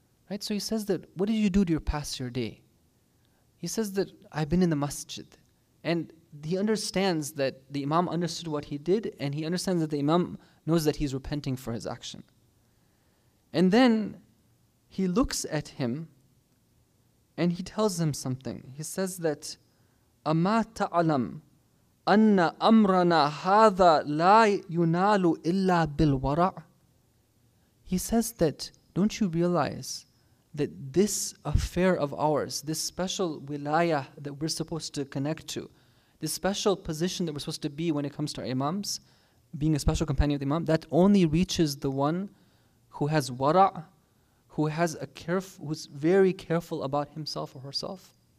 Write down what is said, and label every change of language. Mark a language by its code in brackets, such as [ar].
[en] Right? So he says that, what did you do to pass your day? He says that, I've been in the masjid. And he understands that the Imam understood what he did, and he understands that the Imam knows that he's repenting for his action. And then he looks at him, and he tells him something. [ar] He says that, أَمَا تَعْلَمْ أَنَّ أَمْرَنَا هَذَا لَا يُنَالُ إِلَّا بِالْوَرَعِ. [en] He says that, don't you realize that this affair of ours, this special wilaya that we're supposed to connect to, this special position that we're supposed to be when it comes to our imams, being a special companion of the imam, that only reaches the one who has wara', who has who's very careful about himself or herself.